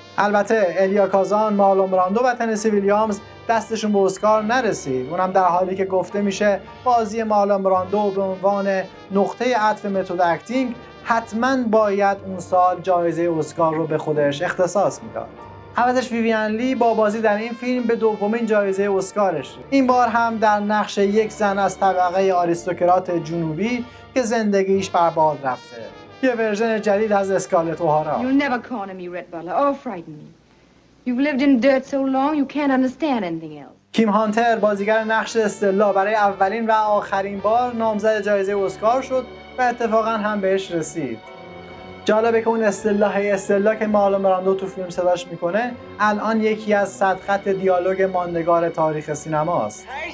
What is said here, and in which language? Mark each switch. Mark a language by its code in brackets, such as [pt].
[fa] البته الیا کازان، مارلون براندو و تنسی ویلیامز دستشون به اسکار نرسید، اونم در حالی که گفته میشه بازی مارلون براندو به عنوان نقطه عطف متد اکتینگ حتما باید اون سال جایزه اسکار رو به خودش اختصاص میداد. عوضش ویویان لی با بازی در این فیلم به دومین جایزه اسکارش، این بار هم در نقش یک زن از طبقه آریستوکرات جنوبی که زندگیش بر باد رفته. یه ورژن جدید از اسکارلت اوهارا. [en] You'll never corner me, Red Butler. Oh, frighten me. You've lived in dirt so long, you can't understand anything else. [fa] کیم هانتر بازیگر نقش استلا برای اولین و آخرین بار نامزد جایزه اسکار شد و اتفاقا هم بهش رسید. جالبه که اون استلا، هی استلا که مارلون براندو تو فیلم صداش میکنه، الان یکی از صد خط دیالوگ ماندگار تاریخ سینماست.